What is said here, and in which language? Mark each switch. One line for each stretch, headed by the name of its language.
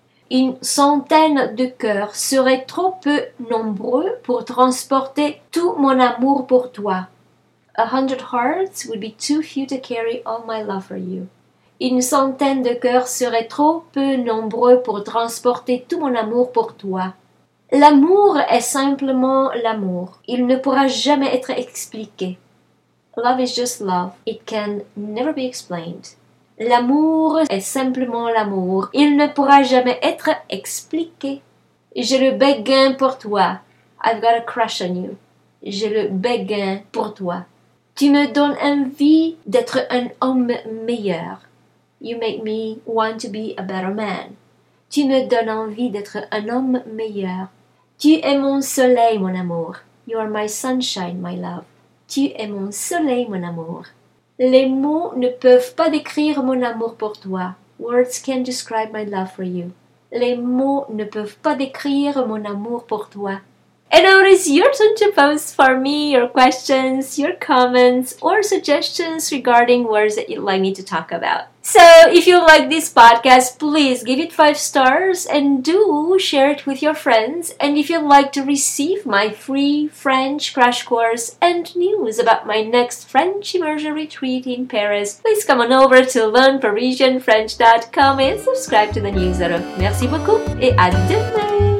French: Une centaine de cœurs serait trop peu nombreux pour transporter tout mon amour pour toi.
English: 100 hearts would be too few to carry all my love for you.
French: Une centaine de cœurs serait trop peu nombreux pour transporter tout mon amour pour toi. L'amour est simplement l'amour. Il ne pourra jamais être expliqué.
English: Love is just love. It can never be explained.
French: L'amour est simplement l'amour. Il ne pourra jamais être expliqué. J'ai le béguin pour toi.
English: I've got a crush on you.
French: J'ai le béguin pour toi. Tu me donnes envie d'être un homme meilleur.
English: You make me want to be a better man.
French: Tu me donnes envie d'être un homme meilleur. Tu es mon soleil, mon amour.
English: You are my sunshine, my love.
French: Tu es mon soleil, mon amour. Les mots ne peuvent pas décrire mon amour pour toi.
English: Words can't describe my love for you.
French: Les mots ne peuvent pas décrire mon amour pour toi.
English: And now it is your turn to post for me your questions, your comments, or suggestions regarding words that you'd like me to talk about. So, if you like this podcast, please give it 5 stars and do share it with your friends. And if you'd like to receive my free French crash course and news about my next French immersion retreat in Paris, please come on over to learnparisianfrench.com and subscribe to the newsletter.
French: Merci beaucoup et à demain!